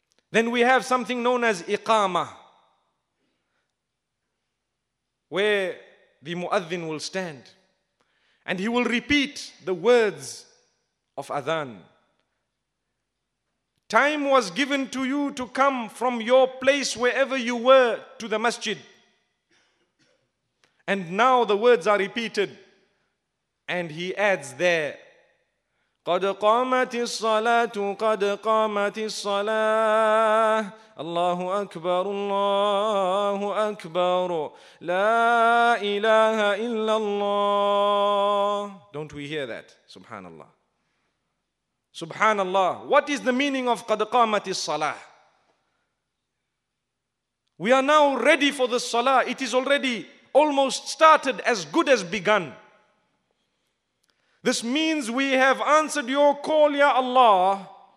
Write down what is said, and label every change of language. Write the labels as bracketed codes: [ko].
[en] Then we have something known as iqamah, where the muadhin will stand and he will repeat the words of adhan. Time was given to you to come from your place wherever you were to the masjid. And now the words are repeated. And he adds there, [ar] قَدْ قَامَتِ الصَّلَاةُ قَدْ قَامَتِ الصَّلَاةُ اللَّهُ أَكْبَرُ اللَّهُ أَكْبَرُ لَا إِلَهَ إِلَّا اللَّهُ. [en] Don't we hear that? Subhanallah. Subhanallah. What is the meaning of [ar] قَدْ قَامَتِ الصَّلَاةُ? [en] We are now ready for the salah. It is already almost started, as good as begun. This means we have answered your call, Ya Allah.